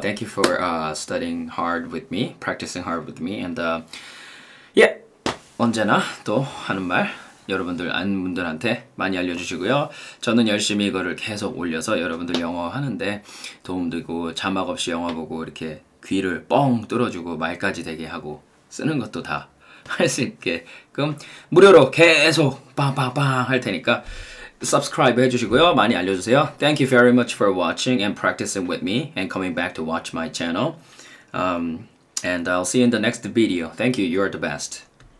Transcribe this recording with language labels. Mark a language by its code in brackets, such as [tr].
[en] Thank you for studying hard with me, practicing hard with me, and yeah, [ko] 언제나 또 하는 말. 여러분들 아는 분들한테 많이 알려주시고요. 저는 열심히 이거를 계속 올려서 여러분들 영어 하는데 도움되고 자막 없이 영어 보고 이렇게 귀를 뻥 뚫어주고 말까지 되게 하고 쓰는 것도 다할수 있게끔 무료로 계속 빵빵빵 할 테니까 subscribe 해주시고요. 많이 알려주세요. [en] Thank you very much for watching and practicing with me and coming back to watch my channel. And I'll see you in the next video. Thank you. You are the best.